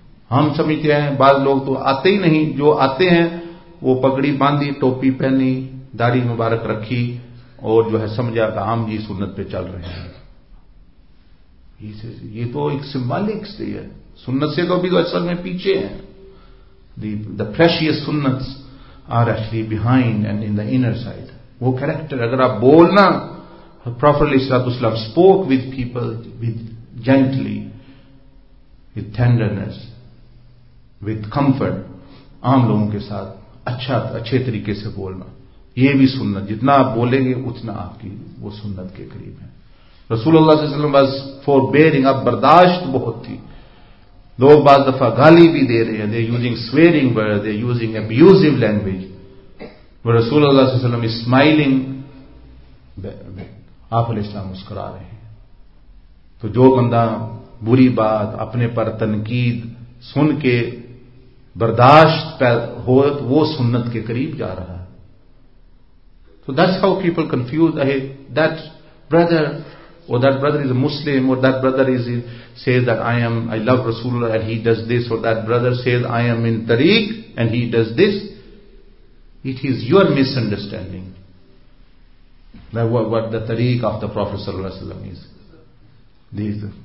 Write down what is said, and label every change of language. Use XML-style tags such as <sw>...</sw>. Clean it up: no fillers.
<ur>ہم سمجھتے ہیں بعض لوگ تو آتے ہی نہیں, جو آتے ہیں وہ پگڑی باندھی, ٹوپی پہنی, داڑھی مبارک رکھی اور جو ہے سمجھا کہ عام جی سنت پہ چل رہے ہیں. یہ تو ایک سمبالک سے ہے, سنت سے تو ابھی تو اصل میں پیچھے ہیں.</ur> <en>The precious sunnats are actually behind and in the inner side.</en> <ur>وہ کریکٹر اگر آپ بولنا</ur> <en>properly, صلی اللہ علیہ وسلم spoke with people with gently, with tenderness, with comfort,</en> <ur>عام لوگوں کے ساتھ اچھے طریقے سے بولنا, یہ بھی سنت. جتنا آپ بولیں گے اتنا آپ کی وہ سنت کے قریب ہے. رسول اللہ صلی اللہ علیہ وسلم بس فور بیئرنگ, اب برداشت بہت تھی, لوگ بعض دفعہ گالی بھی دے رہے ہیں,</ur> <en>they using swearing word, they using abusive language,</en> <ur>رسول اللہ صلی اللہ علیہ وسلم اسمائلنگ, آپ علیہ السلام مسکرا رہے ہیں. تو جو بندہ بری بات اپنے پر تنقید سن کے برداشت ہو تو وہ سنت کے قریب جا رہا ہے.</ur> <en>So that's how people confuse, hey, that brother or that brother is a Muslim or that brother is says that I love Rasulullah and he does this, or that brother says I am in Tariq and he does this. It is your misunderstanding that what the Tariq of the Prophet sallallahu alaihi wasallam is.</en>